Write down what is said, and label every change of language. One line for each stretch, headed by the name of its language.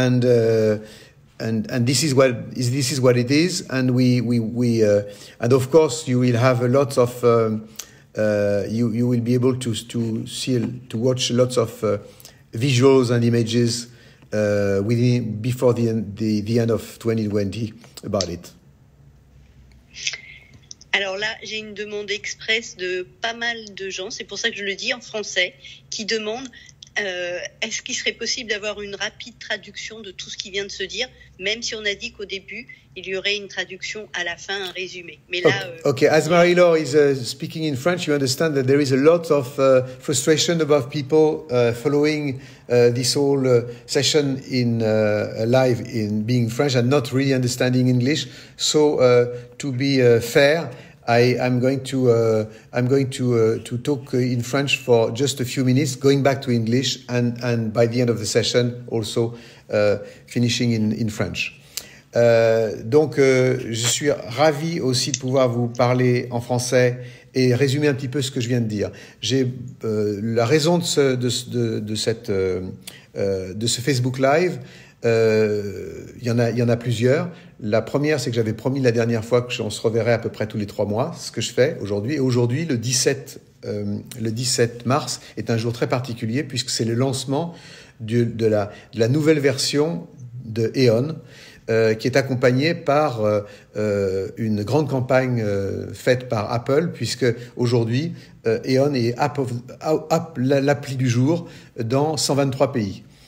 English: And this is what it is, and we of course you will have a lot of you will be able to watch lots of visuals and images before the end of 2020 about it.
French: Alors là, j'ai une demande express de pas mal de gens, c'est pour ça que je le dis en français, qui demande. Est-ce qu'il serait possible d'avoir une rapide traduction de tout ce qui vient de se dire, même si on a dit qu'au début il y aurait une traduction à la fin, un résumé. Mais là,
English: okay. As Marie-Laure is speaking in French, you understand that there is a lot of frustration about people following this whole session in live in being French and not really understanding English. So to be fair, I'm going to talk in French for just a few minutes, going back to English, and by the end of the session also finishing in French.
French: Je suis ravi aussi de pouvoir vous parler en français et résumer un petit peu ce que je viens de dire. J'ai la raison de ce Facebook Live, Il y en a plusieurs. La première, c'est que j'avais promis la dernière fois que on se reverrait à peu près tous les 3 mois, ce que je fais aujourd'hui. Et aujourd'hui, le 17 mars, est un jour très particulier puisque c'est le lancement de la nouvelle version de Aeon, qui est accompagnée par une grande campagne faite par Apple, puisque aujourd'hui, Aeon est l'appli du jour dans 123 pays.